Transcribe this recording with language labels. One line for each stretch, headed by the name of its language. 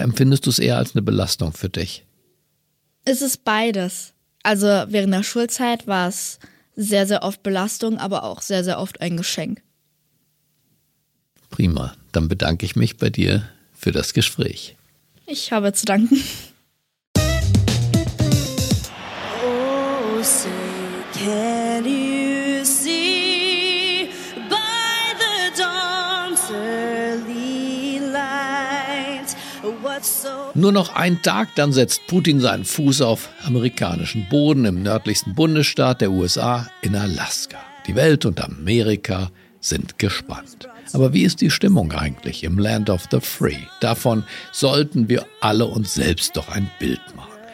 German: Empfindest du es eher als eine Belastung für dich? Es ist beides. Also während der Schulzeit war es sehr, sehr oft Belastung, aber auch sehr, sehr oft ein Geschenk. Prima. Dann bedanke ich mich bei dir für das Gespräch. Ich habe zu danken.
English: Oh, so can you see by the dawn's early light what's so.
German: Nur noch ein Tag, dann setzt Putin seinen Fuß auf amerikanischen Boden im nördlichsten Bundesstaat der USA in Alaska. Die Welt und Amerika sind gespannt. Aber wie ist die Stimmung eigentlich im Land of the Free? Davon sollten wir alle uns selbst doch ein Bild machen.